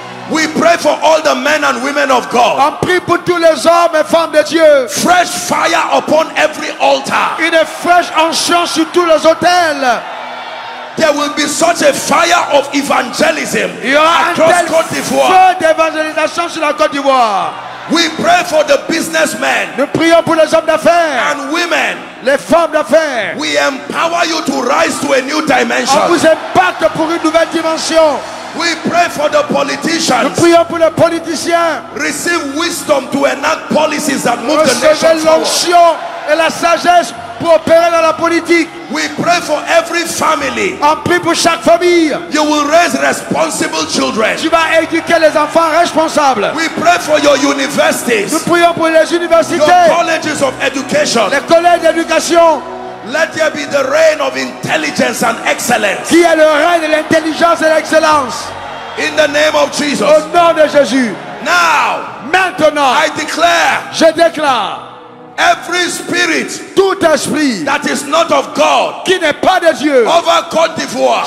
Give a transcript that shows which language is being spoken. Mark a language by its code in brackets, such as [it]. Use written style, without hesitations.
[en] We pray for all the men and women of God. [fr] On prie pour tous les hommes et femmes de Dieu. [en] Fresh fire upon every altar. [fr] Une fraîche onction sur tous les autels. [en] There will be such a fire of evangelism across Côte d'Ivoire. [fr] Feu d'évangélisation sur la Côte d'Ivoire. [en] We pray for the businessmen. [fr] Nous prions pour les hommes d'affaires. [en] And women. [fr] Les femmes d'affaires. [en] We empower you to rise to a new dimension. [fr] On vous impacte pour une nouvelle dimension. [en] We pray for the politicians. [fr] Nous prions pour les politiciens. [en] Receive wisdom to enact policies that move the nation forward. [fr] L'onction et la sagesse pour opérer dans la politique. [en] We pray for every family. [fr] On prie pour chaque famille. [en] You will raise responsible children. [fr] Tu vas éduquer les enfants responsables. [en] We pray for your universities. [fr] Nous prions pour les universités. [en] Your colleges of education. [fr] Les collèges d'éducation. [en] Let there be the reign of intelligence and excellence. [fr] Qui est le règne de l'intelligence et l'excellence? [en] In the name of Jesus. [fr] Au nom de Jésus. [en] Now. [fr] Maintenant. [en] I declare. [fr] Je déclare. [en] Every spirit, [fr] tout esprit, [en] that is not of God, [fr] qui n'est pas de Dieu, [en] over Côte d'Ivoire,